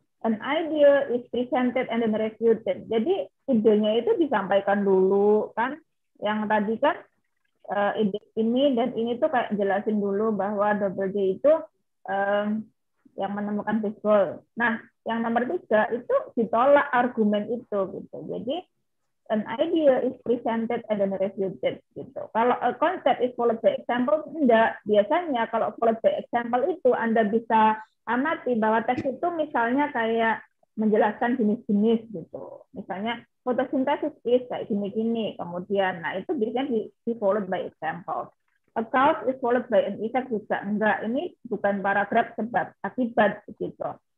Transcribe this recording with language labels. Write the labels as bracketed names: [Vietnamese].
[English] An idea is presented and then refuted. [Indonesian] Jadi idenya itu disampaikan dulu kan, yang tadi kan ide ini dan ini tuh kayak jelasin dulu bahwa double J itu yang menemukan baseball. Nah, yang nomor tiga itu ditolak argumen itu gitu. Jadi [English] an idea is presented and then refuted [Indonesian] gitu. [English] Kalau a concept is followed by example, enggak. [Indonesian] Biasanya kalau [English] followed by example [Indonesian] itu Anda bisa amati bahwa teks itu misalnya kayak menjelaskan jenis-jenis gitu. Misalnya fotosintesis is kayak gini-gini. Kemudian, nah itu biasanya di followed by example. [English] A cause is followed by an effect [Indonesian] juga. Enggak, ini bukan paragraf sebab, akibat gitu.